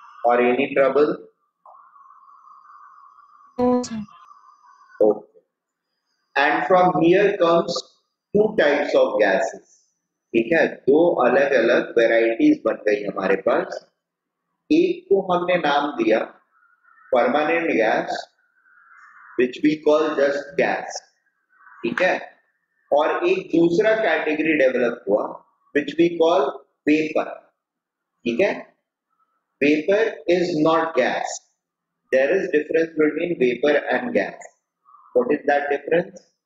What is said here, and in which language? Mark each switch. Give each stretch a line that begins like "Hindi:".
English: Or any trouble? Okay. And from here comes two types of gases.
Hindi: ठीक है, दो अलग अलग वेराइटीज बन गई हमारे पास। एक को हमने नाम दिया permanent gas,
English: which we call just gas,
Hindi: ठीक है, और एक दूसरा कैटेगरी डेवलप हुआ
English: Which we call vapour.
Hindi: ठीक है,
English: Vapour is not gas. There is difference between vapor and gas. What is that difference?